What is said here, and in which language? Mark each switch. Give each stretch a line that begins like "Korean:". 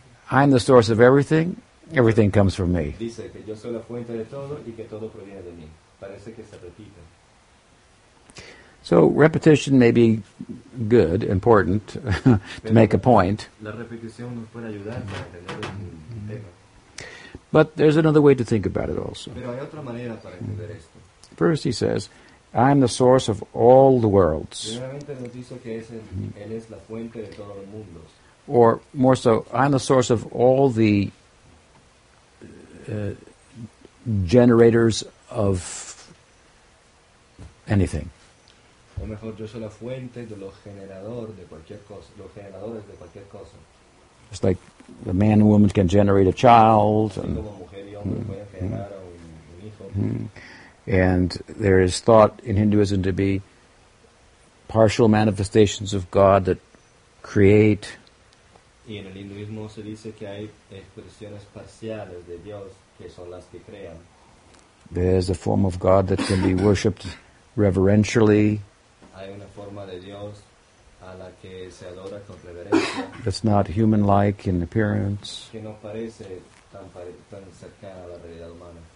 English: I am the source of everything. Everything comes from me.
Spanish: Dice que yo soy la fuente de todo y que todo proviene de mí. Parece que se repite.
English: So repetition may be good, important to make a point.
Spanish: La repetición nos puede ayudar para entender el tema.
English: But there's another way to think about it also.
Spanish: Pero hay otra manera para entender esto.
English: First he says, I am the source of all the worlds.
Spanish: Primeramente nos dice que es el, él es la fuente de todos los mundos.
English: Or more so, I'm the source of all the generators of anything.
Spanish: O mejor, yo soy la fuente de los generadores de cualquier cosa, los generadores de cualquier cosa.
English: It's like the man and woman can generate a child.
Spanish: Así como mujer y hombre pueden generar un hijo.
English: And there is thought in Hinduism to be partial manifestations of God that create.
Spanish: Y en el hinduismo se dice que hay expresiones parciales de Dios que son las que crean.
English: There's a form of God that can be worshipped reverentially.
Spanish: Hay una forma de Dios a la que se adora con reverencia.
English: That's not human-like in appearance.
Spanish: Que no parece tan cercana a la realidad humana.